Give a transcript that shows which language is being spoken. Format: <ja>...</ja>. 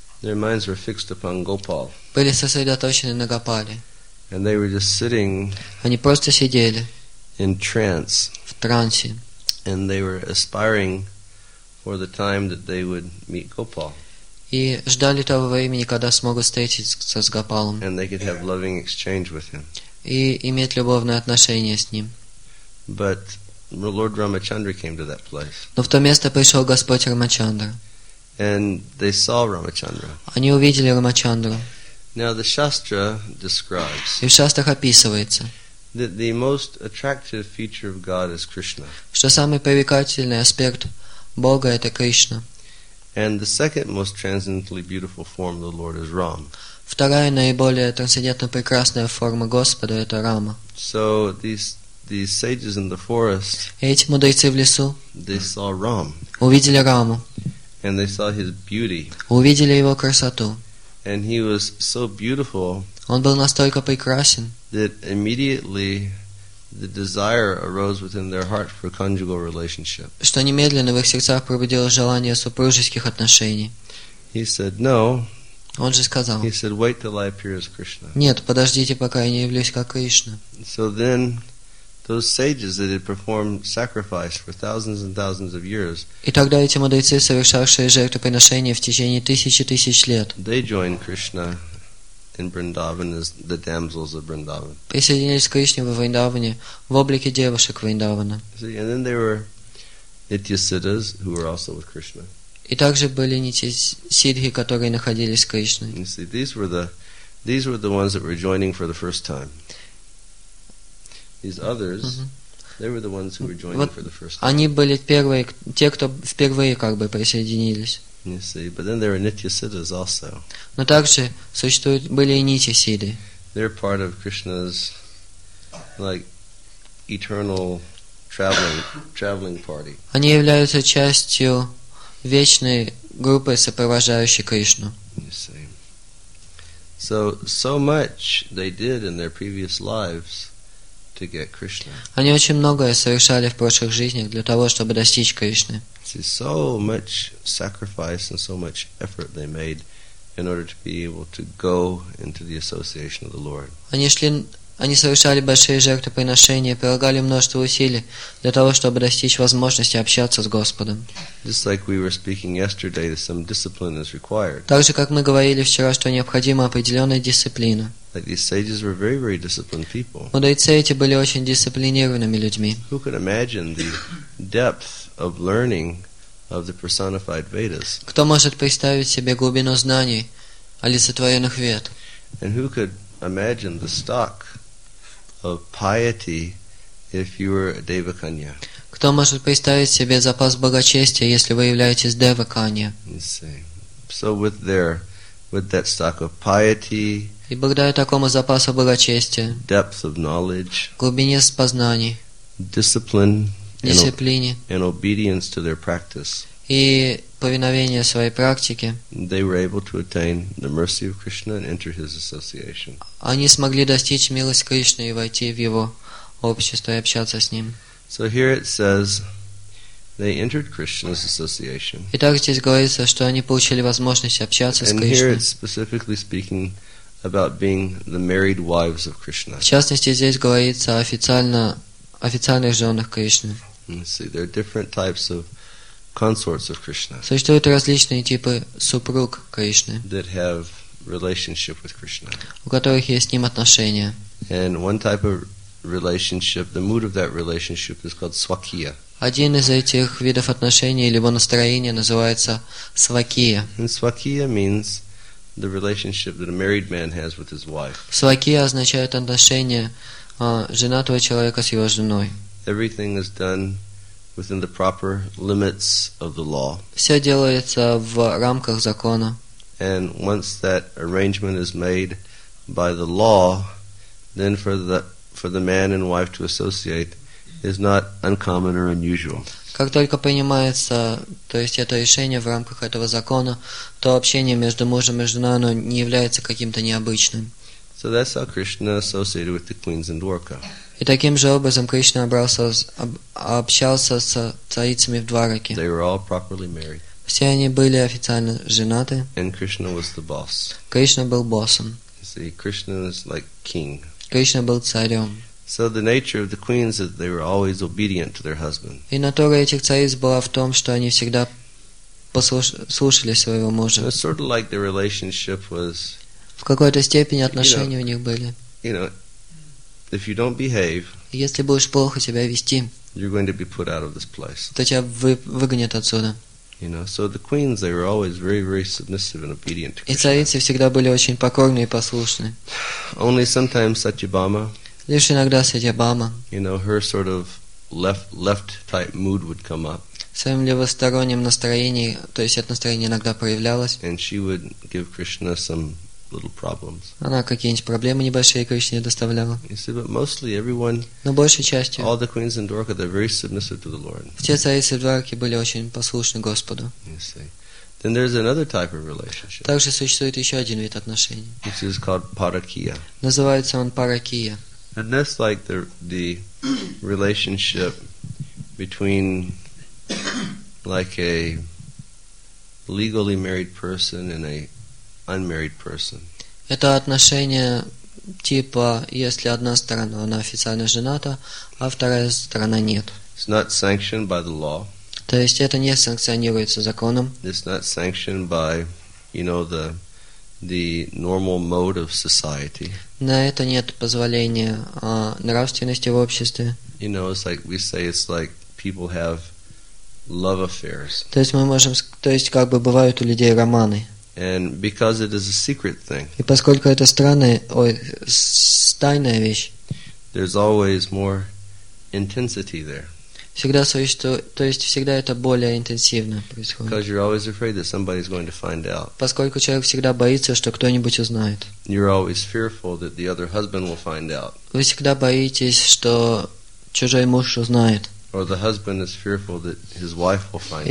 <en>Their minds were fixed upon Gopal.</en> <ru>Были сосредоточены на Гопале.</ru> <en>And they were just sitting.</en> <ru>Они просто сидели.</ru> <en>In trance.</en> <ru>В трансе.</ru> <en>And they were aspiring for the time that they would meet Gopal.</en> <ru>И ждали того времени, когда смогут встретиться с Гопалом.</ru> <en>And they could have loving exchange with him.</en> <ru>И иметь любовные отношения с ним.</ru> <en>But Lord Ramachandra came to that place.</en> <ru>Но в то место пришел Господь Рамачандра.</ru> <en>And they saw Ramachandra.</en> <ru>Они увидели Рамачандру.</ru> <en>Now the Shastra describes.</en> <ru>И в шастрах описывается.</ru> <en>That the most attractive feature of God is Krishna.</en> <ru>Что самый привлекательный аспект Бога это Кришна.</ru> <en>And the second most transcendently beautiful form of the Lord is Ram.</en> <ru>Вторая наиболее трансцендентно прекрасная форма Господа это Рама.</ru> <en>So these sages in the forest.</en> <ru>Эти мудрецы в лесу.</ru> <en>They saw Ram.</en> <ru>Увидели Раму.</ru> <en>And they saw his beauty.</en> <ru>Увидели его красоту.</ru> <en>And he was so beautiful.</en> <ru>Он был настолько прекрасен.</ru> <en>That immediately the desire arose within their heart for conjugal relationship.</en> <ru>Что немедленно в их сердцах пробудилось желание супружеских отношений.</ru> <en>He said no.</en> <ru>Он же сказал.</ru> <en>He said wait till I appear as Krishna.</en> <ru>Нет, подождите, пока я не явлюсь как Кришна.</ru> <en>So then those sages that had performed sacrifice for thousands and thousands of years.</en> <ru>И тогда эти мудрецы, совершавшие жертвоприношения в течение тысяч и тысяч лет.</ru> <en>They joined Krishna in Vrindavan as the damsels of Vrindavan.</en> <ru>Присоединились к Кришне во Вриндаване в облике девушек Вриндавана.</ru> <en>And then there were Nityasiddhas who were also with Krishna.</en> <ru>И также были Нитисиддхи, которые находились с Кришной.</ru> <en>You see, these were the ones that were joining for the first time. These others, they were the ones who were joining for the first time.</en> <ru>Они были первые, те, кто впервые как бы присоединились.</ru> <en>You see, but then there are Nityasiddhas also.</en> <ru>Но также существуют были и Нитисиды.</ru> <en>They're part of Krishna's like eternal traveling party.</en> <ru>Они являются частью вечной группы, сопровождающей Кришну.</ru> <en>You see. So much they did in their previous lives. To get Krishna.</en> <ru>Они очень многое совершали в прошлых жизнях для того, чтобы достичь Кришны.</ru> <en>See, so much sacrifice and so much effort they made in order to be able to go into the association of the Lord.</en> <ru>Они совершали большие жертвоприношения, прилагали множество усилий для того, чтобы достичь возможности общаться с Господом.</ru> <en>Just like we were speaking yesterday, some discipline is required.</en> <ru>Так же, как мы говорили вчера, что необходима определенная дисциплина.</ru> <en>Like these sages were very, very disciplined people.</en> <ru>Мудрецы эти были очень дисциплинированными людьми.</ru> <en>Who could imagine the depth of learning of the personified Vedas?</en> <ru>Кто может представить себе глубину знаний олицетворенных вет.</ru> <en>And who could imagine the stock of piety if you were a Devakanya?</en> <ru>Кто может представить себе запас благочестия, если вы являетесь Девакания?</ru> <en>So with their, with that stock of piety,</en> <ru>и благодаря такому запасу благочестия,</ru> <en>depth of knowledge,</en> <ru>глубине познаний,</ru> <en>discipline,</en> <ru>дисциплине</ru> <en>and obedience to their practice,</en> <ru>и повиновение своей практике,</ru> <en>they were able to attain the mercy of Krishna and enter his association.</en> <ru>Они смогли достичь милости Кришны и войти в его общество и общаться с ним.</ru> <en>So here it says they entered Krishna's association.</en> <ru>Итак, здесь говорится, что они получили возможность общаться с Кришной.</ru> <en>And here it's specifically speaking about being the married wives of Krishna.</en> <ru>В частности, здесь говорится официальных женах Кришны.</ru> <en>See, there are different types of consorts of Krishna.</en> <ru>Существуют различные типы супруг Кришны.</ru> <en>That have relationship with Krishna.</en> <ru>У которых есть с ним отношения.</ru> <en>And one type of relationship, the mood of that relationship is called swakiya.</en> <ru>Один из этих видов отношений или его настроение называется свакия.</ru> <en>And swakiya means the relationship that a married man has with his wife.</en> <ru>Свакия означает отношение женатого человека с его женой.</ru> <en>Everything is done within the proper limits of the law.</en> <ru>Все делается в рамках закона.</ru> <en>And once that arrangement is made by the law, then for the man and wife to associate is not uncommon or unusual.</en> <ru>Как только принимается, то есть это решение в рамках этого закона, то общение между мужем и женой, оно не является каким-то необычным.</ru> <en>So that's how Krishna associated with the queens in Dwarka.</en> <ru>И таким же образом Кришна общался с царицами в Двараке.</ru> <en>They were all properly married.</en> <ru>Все они были официально женаты.</ru> <en>And Krishna was the boss.</en> <ru>Кришна был боссом.</ru> <en>See, Krishna is like king.</en> <ru>Кришна был царем.</ru> <en>So the nature of the queens is that they were always obedient to their husband.</en> <ru>И натура этих цариц была в том, что они всегда слушали своего мужа.</ru> <en>It's sort of like the relationship was.</en> <ru>В какой-то степени отношения у них были.</ru> <en>You know, if you don't behave,</en> <ru>если будешь плохо себя вести,</ru> <en>you're going to be put out of this place.</en> <ru>То тебя выгонят отсюда.</ru> <en>You know, so the queens, they were always very, very submissive and obedient to Krishna.</en> <ru>И царицы всегда были очень покорны и послушны.</ru> <en>Only sometimes Satyabhama.</en> <ru>Лишь иногда Сатьябама.</ru> <en>You know, her sort of left type mood would come up.</en> <ru>В своем левостороннем настроении, то есть это настроение иногда проявлялось.</ru> <en>And she would give Krishna some little problems.</en> <ru>Она какие-нибудь проблемы небольшие Кришне доставляла.</ru> <en>You see, but mostly everyone.</en> <ru>Но большей частью.</ru> <en>All the queens in Dwarka, they're very submissive to the Lord.</en> <ru>Все царицы в Дварке были очень послушны Господу.</ru> <en>You see. Then there's another type of relationship.</en> <ru>Также существует еще один вид отношений.</ru> <en>Which is called parakiya.</en> <ru>Называется он парокия.</ru> <en>And that's like the relationship between like a legally married person and a unmarried person.</en> <ru>Это отношение типа, если одна сторона она официально жената, а вторая сторона нет.</ru> <en>It's not sanctioned by the law.</en> <ru>То есть это не санкционируется законом.</ru> <en>It's not sanctioned by, you know, the normal mode of society.</en> <ru>На это нет позволения нравственности в обществе.</ru> <en>You know, it's like we say, it's like people have love affairs.</en> <ru>То есть мы можем, то есть как бы бывают у людей романы.</ru> <en>And because it is a secret thing.</en> <ru>И поскольку это странная, тайная вещь.</ru> <en>There's always more intensity there.</en> <ru>Всегда существует, то есть всегда это более интенсивно происходит.</ru> <en>Because you're always afraid that somebody's going to find out.</en> <ru>Поскольку человек всегда боится, что кто-нибудь узнает.</ru> <en>You're always fearful that the other husband will find out.</en> <ru>Вы всегда боитесь, что чужой муж узнает.</ru> <en>Or the husband is fearful that his wife will find out.</en>